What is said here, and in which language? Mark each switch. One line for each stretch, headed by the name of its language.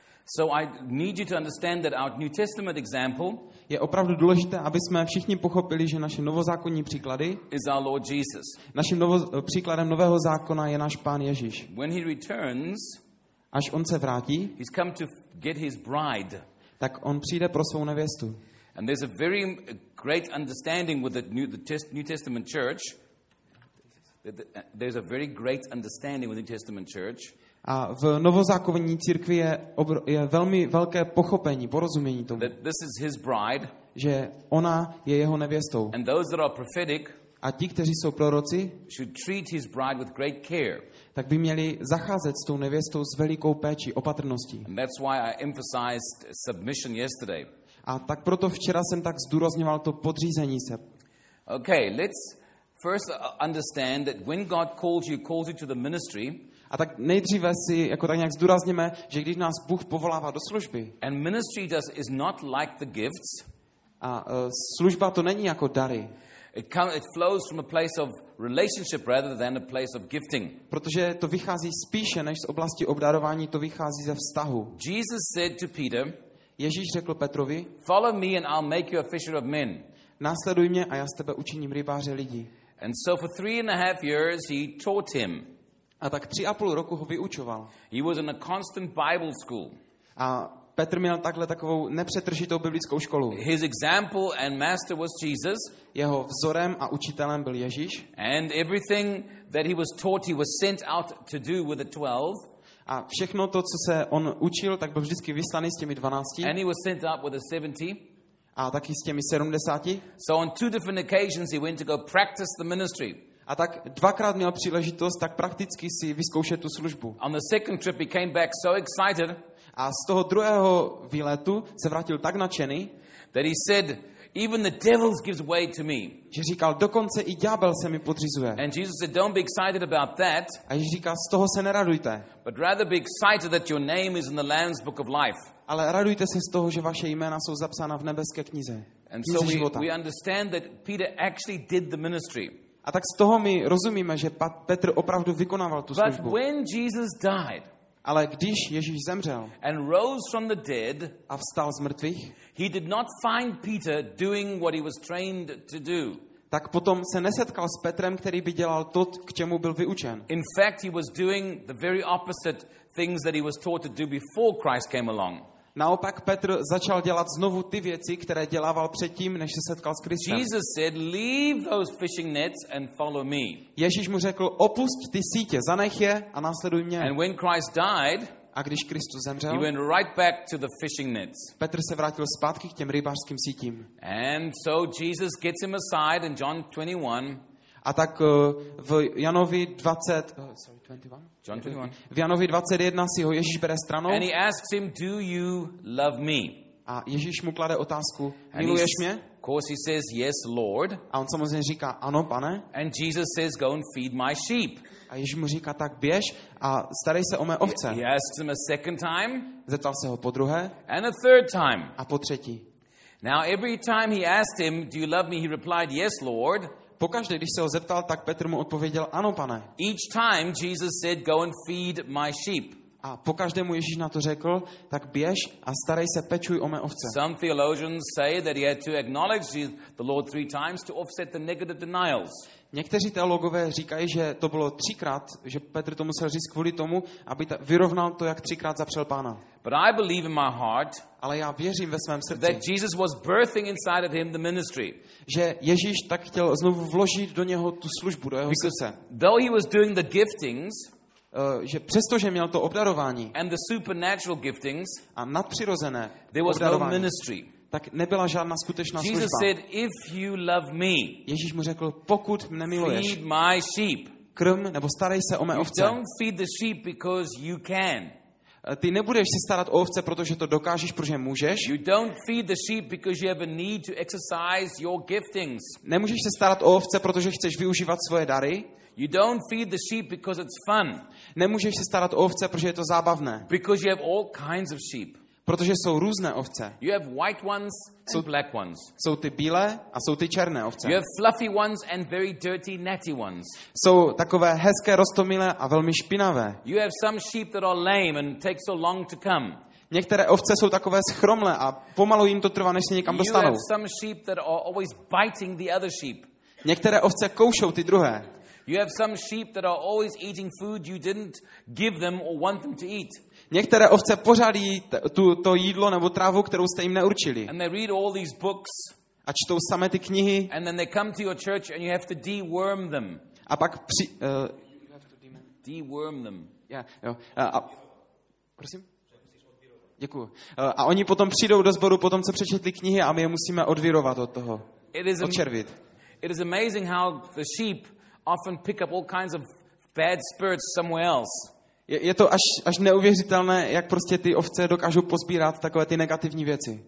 English: So I need you to understand that our New Testament example
Czech: je opravdu důležité, aby jsme všichni pochopili, že naše novozákonní příklady
English: is our Lord Jesus.
Czech: Naším příkladem nového zákona je náš Pán Ježíš.
English: When he returns,
Czech: až on se vrátí,
English: he's come to get his bride.
Czech: Tak on přijde pro svou nevěstu.
English: And there's a very great understanding with New Testament church. There's a very great understanding with the New Testament church.
Czech: A v novozákonní církvi je velmi velké pochopení, porozumění tomu,
English: bride,
Czech: že ona je jeho nevěstou.
English: And those that are prophetic,
Czech: a ti, kteří jsou proroci,
English: should treat his bride with great care.
Czech: Tak by měli zacházet s tou nevěstou s velikou péčí, opatrností.
English: And that's why I emphasized submission yesterday.
Czech: A tak proto včera jsem tak zdůrazňoval to podřízení se.
English: Okay, let's first understand that when God calls you to the ministry.
Czech: A tak nejdříve si jako tak nějak zdůrazníme, že když nás Bůh povolává do služby.
English: And ministry does is not like the gifts.
Czech: A služba to není jako dary.
English: It flows from a place of relationship rather than a place of gifting.
Czech: Protože to vychází spíše než z oblasti obdarování, to vychází ze vztahu.
English: Jesus said to Peter,
Czech: Ježíš řekl Petrovi,
English: follow me and I'll make you a fisher of men.
Czech: Následuj mě a já z tebe učiním rybáře lidí.
English: And so for 3.5 years he taught him.
Czech: A tak 3.5 roku ho vyučoval.
English: He was in a constant Bible school.
Czech: A Petr měl takhle takovou nepřetržitou biblickou školu.
English: His example and master was Jesus.
Czech: Jeho vzorem a učitelem byl Ježíš.
English: And everything that he was taught, he was sent out to do with the 12.
Czech: A všechno to, co se on učil, tak byl vždycky vyslaný s těmi 12.
English: And he was sent out with the 70.
Czech: A taky s těmi 70.
English: So on 2 different occasions he went to go practice the ministry.
Czech: A tak dvakrát měl příležitost tak prakticky si vyzkoušet tu službu.
English: On the second trip he came back so excited.
Czech: A z toho druhého výletu se vrátil tak nadšený,
English: that he said even the devil gives way to me.
Czech: Že říkal, dokonce i ďábel se mi podřizuje.
English: And Jesus said don't be excited about that.
Czech: A Ježíš říkal, z toho se neradujte.
English: But rather be excited that your name is in the Lamb's book of life.
Czech: Ale radujte se z toho, že vaše jména jsou zapsána v nebeské knize.
English: And so we understand that Peter actually did the ministry.
Czech: A tak z toho my rozumíme, že Petr opravdu vykonával tu službu.
English: But when Jesus died,
Czech: ale když Ježíš zemřel
English: and rose from the dead,
Czech: a vstal z mrtvých,
English: he did not find Peter doing what he was trained to do.
Czech: Tak potom se nesetkal s Petrem, který by dělal to, k čemu byl vyučen.
English: In fact, he was doing the very opposite things that he was taught to do before Christ came along.
Czech: Naopak Petr začal dělat znovu ty věci, které dělával předtím, než se setkal s Kristem.
English: Jesus said, leave those fishing nets and follow me.
Czech: Ježíš mu řekl, opust ty sítě, zanech je a následuj mě.
English: And when Christ died,
Czech: a když Kristus zemřel,
English: he went right back to the fishing nets.
Czech: Petr se vrátil zpátky k těm rybářským sítím.
English: And so Jesus gets him aside in John 21.
Czech: A tak v Janovi 20,
English: sorry,
Czech: 21?
English: John 21.
Czech: V Janovi 21 si ho Ježíš bere stranou.
English: And he asks him, do you love me?
Czech: A Ježíš mu klade otázku, miluješ mě?
English: Of course he says, yes, Lord.
Czech: A on samozřejmě říká, ano, pane.
English: And Jesus says, go and feed my sheep.
Czech: A Ježíš mu říká, tak běž a starej se o mé ovce.
English: He asks him a second time.
Czech: Zeptal se ho po druhé.
English: And a third time.
Czech: A po třetí.
English: Now every time he asked him, do you love me? He replied, yes, Lord.
Czech: Pokaždé, když se ho zeptal, tak Petr mu odpověděl, ano, pane.
English: Each time Jesus said, go and feed my sheep.
Czech: A pokaždé mu Ježíš na to řekl, tak běž a starej se, pečuj o mé ovce.
English: Some theologians say that he had to acknowledge the Lord three times to offset the negative denials.
Czech: Někteří teologové říkají, že to bylo třikrát, že Petr to musel říct kvůli tomu, aby vyrovnal to, jak třikrát zapřel Pána.
English: But I believe in my heart,
Czech: ale já věřím ve svém srdci,
English: that Jesus was birthing inside of him the ministry.
Czech: Že Ježíš tak chtěl znovu vložit do něho tu službu, do jeho srdce.
English: Though he was doing the giftings,
Czech: že přestože měl to obdarování
English: and the supernatural giftings,
Czech: a nadpřirozené
English: there was
Czech: obdarování,
English: no ministry.
Czech: Tak nebyla žádná skutečná
English: Jesus
Czech: služba.
English: Said, if you love me,
Czech: Ježíš mu řekl, pokud mne miluješ,
English: feed my sheep.
Czech: Krm nebo starej se o mé
English: you
Czech: ovce.
English: Don't feed the sheep because you can.
Czech: Ty nebudeš se starat o ovce, protože to dokážeš, protože můžeš.
English: You don't feed the sheep because you have a need to exercise your giftings.
Czech: Nemůžeš se starat o ovce, protože chceš využívat svoje dary.
English: You don't feed the sheep because it's fun.
Czech: Nemůžeš se starat o ovce, protože je to zábavné.
English: Because you have all kinds of sheep.
Czech: Protože jsou různé ovce.
English: You have white ones and
Czech: jsou,
English: black ones.
Czech: Jsou ty bílé a jsou ty černé ovce.
English: You have fluffy ones and very dirty, natty ones.
Czech: Jsou takové hezké, roztomilé a velmi špinavé.
English: You have some sheep that are lame and take so long to come.
Czech: Některé ovce jsou takové schromlé a pomalu jim to trvá, než se někam dostanou.
English: You have some sheep that are always biting the other sheep.
Czech: Některé ovce koušou ty druhé.
English: You have some sheep that are always eating food you didn't give them or want them to eat.
Czech: Některé ovce pořád jí to jídlo nebo trávu, kterou jste jim neurčili.
English: And they read all these books.
Czech: A čtou samé ty knihy.
English: And then they come to your church and you have to deworm them.
Czech: A pak při
English: deworm them. Yeah,
Czech: jo. Prosím. Děkuju. A oni potom přijdou do sboru potom, co přečetli knihy, a my je musíme odvirovat od toho. Odčervit.
English: It is amazing how the sheep often pick up all kinds of bad spirits somewhere else.
Czech: Je to až neuvěřitelné, jak prostě ty ovce dokážou pozbírat takové ty negativní věci.